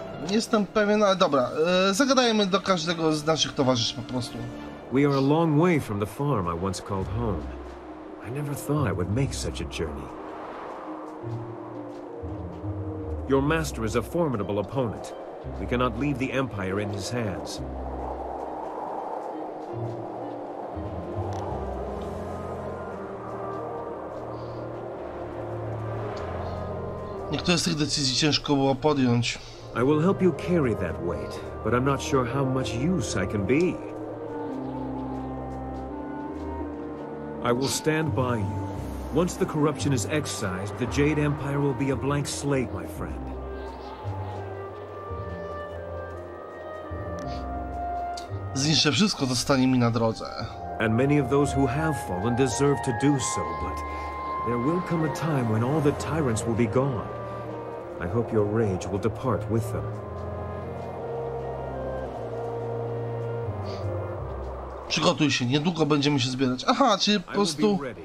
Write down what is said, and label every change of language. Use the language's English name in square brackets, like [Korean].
[Polish] Jestem pewien, ale dobra. Zagadajmy do każdego z naszych towarzyszy po prostu. [English] We are a long way from the farm I once called home. I never thought I would make such a journey. Your master is a formidable opponent. We cannot leave the Empire in his hands. [Polish] Niektóre z tych decyzji ciężko było podjąć. [English] I will help you carry that weight, but I'm not sure how much use I can be. I will stand by you. Once the corruption is excised, the Jade Empire will be a blank slate, my friend. [Polish] Zniszczę wszystko, co stanie mi na drodze. [English] And many of those who have fallen deserve to do so, but there will come a time when all the tyrants will be gone. I hope your rage will depart with them. [Polish] Przygotuj się, niedługo będziemy się zbierać. Aha, czyli po prostu...